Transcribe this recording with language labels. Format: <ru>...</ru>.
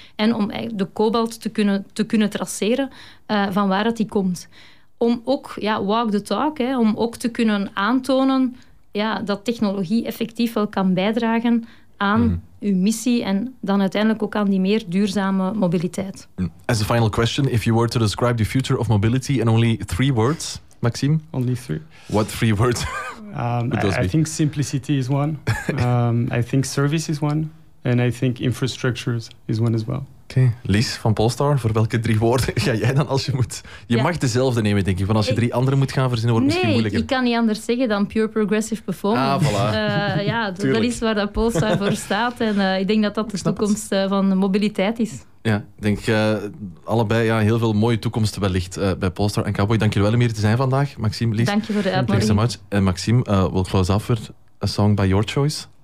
<nl>En om de kobalt te kunnen traceren van waar het die komt. Om ook</nl> <en>walk the talk,</en> <nl>om ook te kunnen aantonen dat technologie effectief wel kan bijdragen aan uw missie en dan uiteindelijk ook aan die meer duurzame mobiliteit.</nl> <en>As a final question, if you were to describe the future of mobility in only 3 words, Maxime? Only 3. What 3 words? I think simplicity is one. I think service is one. And I think infrastructures is one as well. Okay.</en> <nl>Lies van Polestar, voor welke 3 woorden ga jij dan als je moet... Je mag dezelfde nemen, denk ik. Van als je 3 andere moet gaan verzinnen, wordt het misschien moeilijker. Nee, ik kan niet anders zeggen dan</nl> <en>pure progressive performance.</en> <nl>Ah, voilà. dat is waar dat Polestar voor staat. En ik denk dat de toekomst van mobiliteit is. Ja, ik denk allebei heel veel mooie toekomsten wellicht bij Polestar en Cowboy. Dank jullie wel om hier te zijn vandaag, Maxime, Lies. Dank je voor de uitnodiging.</nl> <en>Thanks so much. En Maxime, we'll close off with a song by your choice.</en>